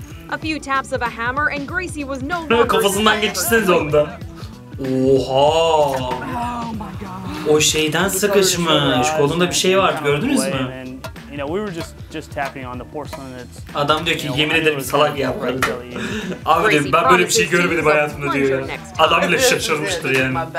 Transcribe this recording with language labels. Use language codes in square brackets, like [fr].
[en] A few taps of a hammer and Gracie was no longer. [tr] Kafasından geçsin onda. Oha. O şeyden sıkışmış. Kolunda bir şey vardı gördünüz mü? [en] You know, we were just tapping on the porcelain. It's. [tr] Adam diyor ki, yemin ederim salak yapmadım. Abi diyor, ben böyle bir şey görmedim hayatımda diyor. Adam bile şaşırmıştır yani.